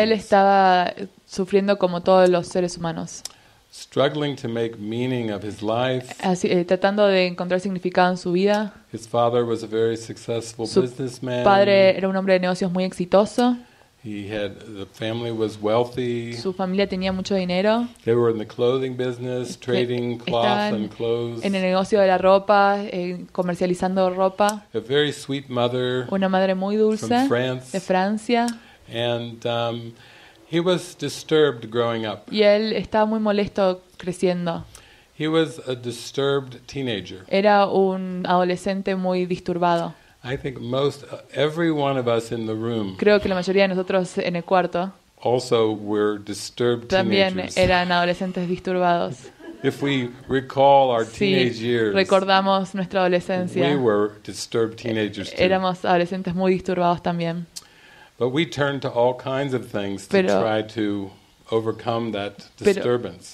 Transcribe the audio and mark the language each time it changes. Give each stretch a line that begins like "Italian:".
Spanish: Él estaba sufriendo como todos los seres humanos.
English: Struggling to make meaning of his life.
Spanish: Así, tratando de encontrar significado en su vida.
English: His father was a very successful businessman.
Spanish: Su padre era un hombre de negocios muy exitoso.
English: He had the family was wealthy.
Spanish: Su familia tenía mucho dinero.
English: They were in the clothing business, trading cloth and clothes.
Spanish: En el negocio de la ropa, comercializando ropa.
English: A very sweet mother.
Spanish: Una madre muy dulce.
English: From France.
Spanish: De Francia.
English: And he was disturbed growing up.
Spanish: Y él estaba muy molesto creciendo.
English: He was a disturbed teenager.
Spanish: Era un adolescente muy disturbado.
English: I think most every one of us in the room.
Spanish: Creo que la mayoría de nosotros en el cuarto.
English: Also, we're disturbed
Spanish: también
English: teenagers.
Spanish: También eran adolescentes disturbados.
English: If we recall our teenage years.
Spanish: Si recordamos nuestra adolescencia.
English: We were disturbed teenagers too.
Spanish: Éramos adolescentes muy disturbados también.
English: But we turned to all kinds of things to try to overcome that disturbance.